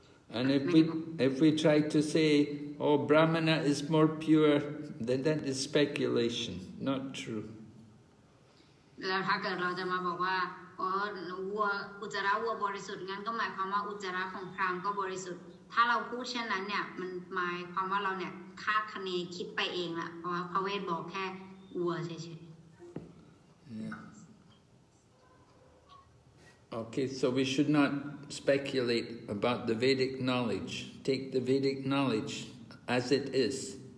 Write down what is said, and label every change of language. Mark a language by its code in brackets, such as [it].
[en] And if we try to say, oh, Brahmana is more pure, then that is speculation, not true. [th] แล้วถ้าเกิดเราจะมาบอกว่าอ๋อวัวอุจจาระวัวบริสุทธิ์งั้นก็หมายความว่าอุจจาระของพราหมณ์ก็บริสุทธิ์ถ้าเราพูดเช่นนั้นเนี่ยมันหมายความว่าเราเนี่ยคาดคะเนคิดไปเองละเพราะว่าพระเวทบอกแค่วัวเฉยๆ [en] Okay, so we should not speculate about the Vedic knowledge. Take the Vedic knowledge as it is.